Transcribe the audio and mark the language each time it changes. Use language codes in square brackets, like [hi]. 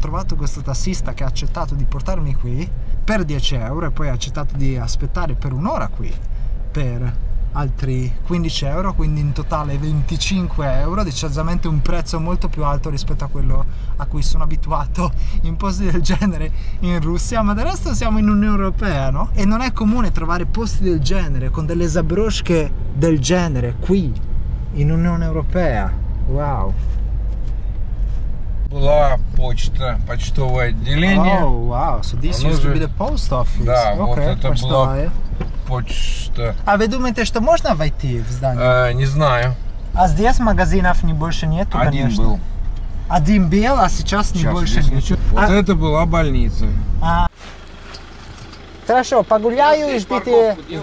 [it] Ho trovato questo tassista che ha accettato di portarmi qui per 10 euro e poi ha accettato di aspettare per un'ora qui per altri 15 euro, quindi in totale 25 euro, decisamente un prezzo molto più alto rispetto a quello a cui sono abituato in posti del genere in Russia. Ma del resto siamo in Unione Europea, no? E non è comune trovare posti del genere, con delle zabroschke del genere, qui, in Unione Europea. Wow! [ru] Была почта, почтовое отделение. [en] Oh, wow, so this used to be the post office. [ru] Да, okay, вот это была почта. А вы думаете, что можно войти в здание? Не знаю. А здесь магазинов не больше нету, один конечно? Один был. Один бел, а сейчас, сейчас больше ничего. Вот это была больница. А. Хорошо, погуляю и ждите здесь.